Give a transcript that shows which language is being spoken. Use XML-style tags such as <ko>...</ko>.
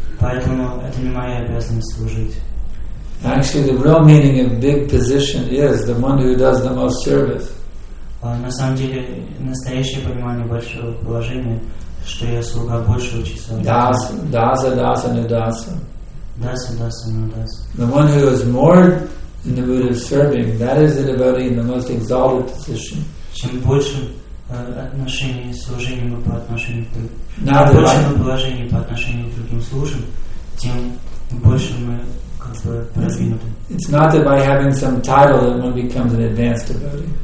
<ru>Поэтому это не моя обязанность служить.</ru> <en>Actually, the real meaning of big position is the one who does the most service.</en> <ru>На самом деле, настоящее понимание большого положения, что я слуга большего числа.</ru> <sa>Даса, даса, нудаса.</sa> <en>The one who is more in the mood of serving, that is the devotee in the most exalted position.</en> <ru>Чем больше отношений служения мы по отношению к другим, чем больше мы положение по отношению к другим служим, тем больше мы как бы продвинуты.</ru> <en>It's not that by having some title that one becomes an advanced devotee.</en>